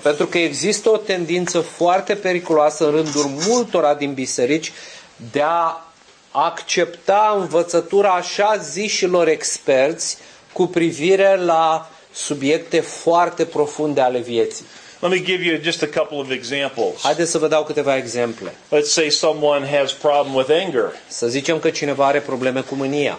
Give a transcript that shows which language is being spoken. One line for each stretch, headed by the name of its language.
Romanian: Pentru că există o tendință foarte periculoasă în rândul multora din biserici de a accepta învățătura așa zișilor experți cu privire la subiecte foarte profunde ale vieții.
English: Let me give you just a couple of examples.
Romanian: Haideți să vă dau câteva exemple.
English: Let's say someone has problem with anger.
Romanian: Să zicem că cineva are probleme cu mânia.